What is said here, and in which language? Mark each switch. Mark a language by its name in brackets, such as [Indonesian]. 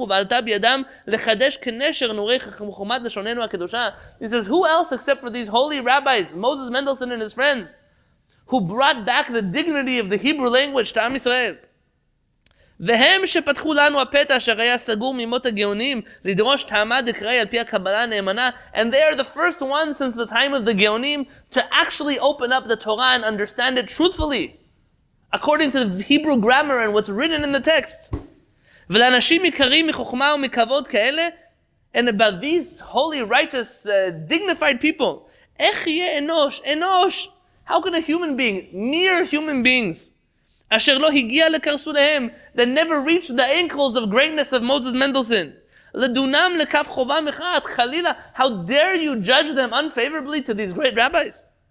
[English] He says, who else except for these holy rabbis, Moses Mendelssohn and his friends, who brought back the dignity of the Hebrew language to Am Yisrael? [Hebrew] והם שפתחו לנו הפתע אשר היה סגור מימות הגאונים לדרוש טעמה דקראי על פי הקבלה הנאמנה. [English] And they are the first ones since the time of the Geonim to actually open up the Torah and understand it truthfully according to the Hebrew grammar and what's written in the text. [Hebrew] ולאנשים יקרים מחוכמה ומכבוד כאלה, [English] and about these holy, righteous, dignified people, [Hebrew] איך יהיה אנוש? אנוש! [English] How can a human being, mere human beings, [Hebrew] אשר לא הגיע לקרסוליהם, [English] that never reached the ankles of greatness of Moses Mendelssohn. [Hebrew] לדונם לקף חובה מחאת, חלילה, [English] how dare you judge them unfavorably to these great rabbis?